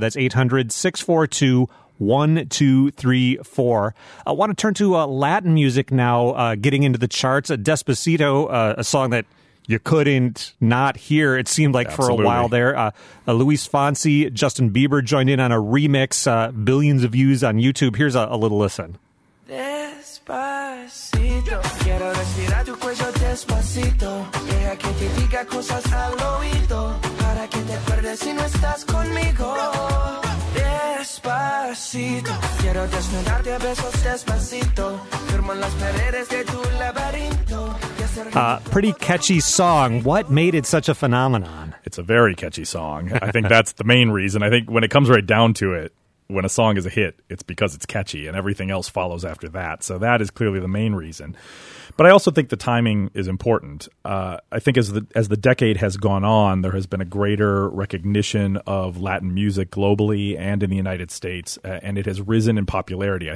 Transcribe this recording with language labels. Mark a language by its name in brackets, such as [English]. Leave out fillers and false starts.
[English] That's 800-642-1234. I want to turn to Latin music now, getting into the charts. Despacito, a song that you couldn't not hear, it seemed like, absolutely, for a while there. Luis Fonsi, Justin Bieber joined in on a remix, billions of views on YouTube. Here's a little listen. [Spanish] Despacito, quiero respirar tu cuello despacito, deja que te diga cosas al oído, para que te acuerdes si no estás conmigo. Despacito, quiero desnudarte a besos despacito, firmo en las paredes de tu laberinto. [English] Pretty catchy song. What made it such a phenomenon? It's a very catchy song. I think that's the main reason. I think when it comes right down to it, when a song is a hit, it's because it's catchy and everything else follows after that. So that is clearly the main reason. But I also think the timing is important. I think as the decade has gone on, there has been a greater recognition of Latin music globally and in the United States, and it has risen in popularity.